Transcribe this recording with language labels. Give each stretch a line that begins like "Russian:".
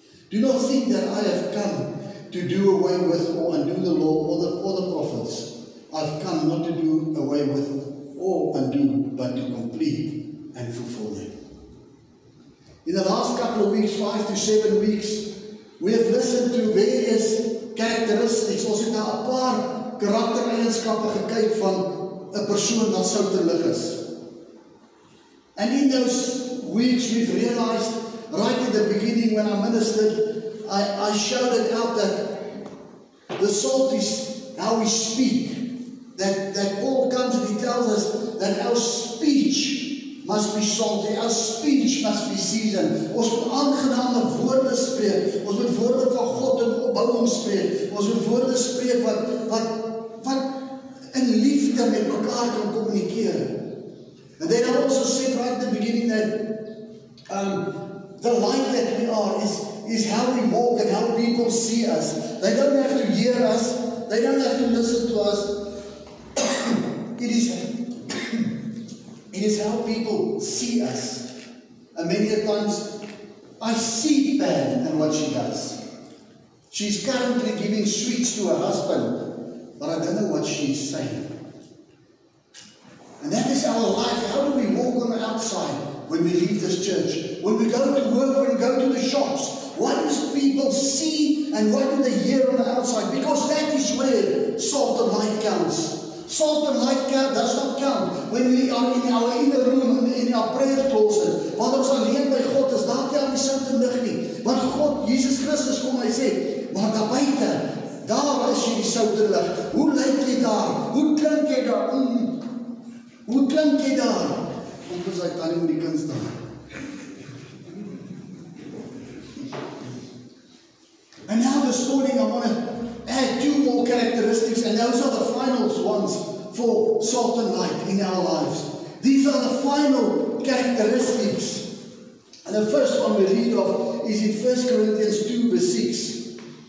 English: Do not think that I have come to do away with or undo the law or the prophets. I have come not to do away with or undo, but to complete and fulfill them. In the last couple of weeks, 5 to 7 weeks, we have listened to various characteristics.
Afrikaans: Ons het na 'n paar karaktereienskappe gekyk van 'n persoon wat sout en lig is.
English: And in those weeks, we've realized right at the beginning when I ministered, I shouted out that the salt is how we speak. That Paul comes and he tells us that our speech must be salty, our speech must be seasoned.
Afrikaans: Ons moet aangename woorde spreek, ons moet woorde van God en opbouing spreek, ons moet woorde spreek wat in liefde met mekaar kan kommunikeer.
English: And then I also said right at the beginning that the light that we are is how we walk and how people see us. They don't have to hear us, they don't have to listen to us. It is how people see us. And many a times, I see Pam and what she does. She's currently giving sweets to her husband, but I don't know what she's saying. And that is our life. How do we walk on the outside when we leave this church? When we go to work, when we go to the shops, what do people see and what do they hear on the outside? Because that is where salt and light counts. Salt and light does not count when we are in our inner room in our prayer closet.
Afrikaans: Want ons alleen by God is daar nie aan die sout en lig nie. Want God, Jesus Christus kom hy sê, maar daar buite, daar is jy die sout en lig. Hoe lyk jy daar? Hoe klink jy daar? Hoe klink jy daar? Kom ons uit tannie met die kinders daar.
English: And now this morning I want to add 2 more characteristics, and those are the final ones for salt and light in our lives. These are the final characteristics. And the first one we read of is in 1 Corinthians 2:6.